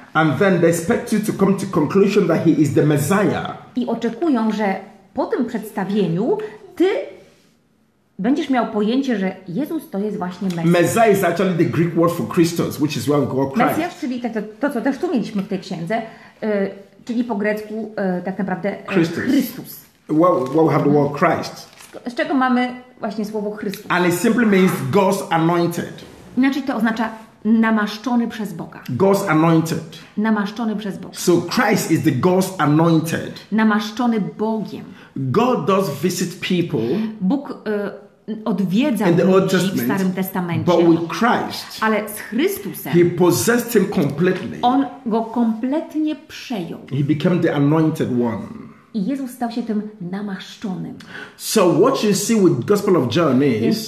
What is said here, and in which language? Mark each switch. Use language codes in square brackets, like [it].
[en] And then they expect you to come to conclusion that he is the Messiah. [pl] I oczekują, że po tym przedstawieniu ty będziesz miał pojęcie, że Jezus to jest właśnie Mesjasz. [en] Messiah is actually the Greek word for Christos, which is why we call Christ. [pl] Mesjasz, czyli to co też tu mieliśmy w tej księdze, czyli po grecku tak naprawdę Christus. Chrystus. [en] Well, we have the word Christ. [pl] Z czego mamy właśnie słowo Chrystus? [en] And it simply means God's anointed. [pl] Inaczej to oznacza namaszczony przez Boga. [en] God's anointed. [pl] Namaszczony przez Boga. [en] So Christ is the God's anointed. [pl] Namaszczony Bogiem. [en] God does visit people. [pl] Bóg odwiedza ludzi w Starym Testamencie. [en] But with Christ, [pl] ale z Chrystusem. [en] He possessed him completely. [pl] On go kompletnie przejął. [en] He became the anointed one. [pl] I Jezus stał się tym namaszczonym. [en] So what you see with Gospel of John is.